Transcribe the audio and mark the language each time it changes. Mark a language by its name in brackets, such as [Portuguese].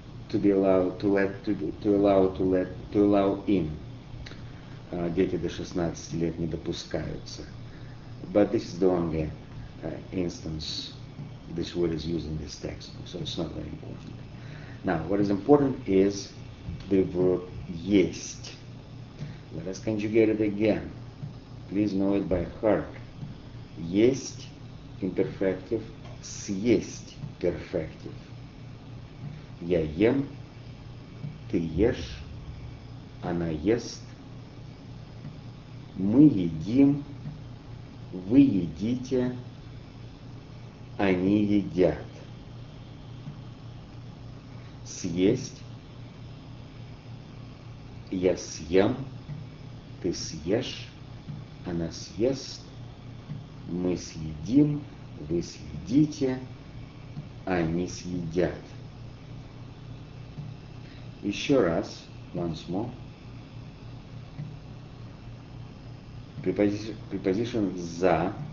[English] To be allowed to let to allow to let to allow in. [Russian] Дети до 16 лет не допускаются. [English] But this is the only instance this word is used in this textbook, so it's not very important. Now, what is important is the verb есть. Let us conjugate it again. Please know it by heart. Есть imperfective, съесть perfective. [Russian] Я ем, ты ешь, она ест, мы едим, вы едите, они едят. Съесть. Я съем, ты съешь, она съест, мы съедим, вы съедите, они съедят. Еще раз, [English] once more. Preposition за,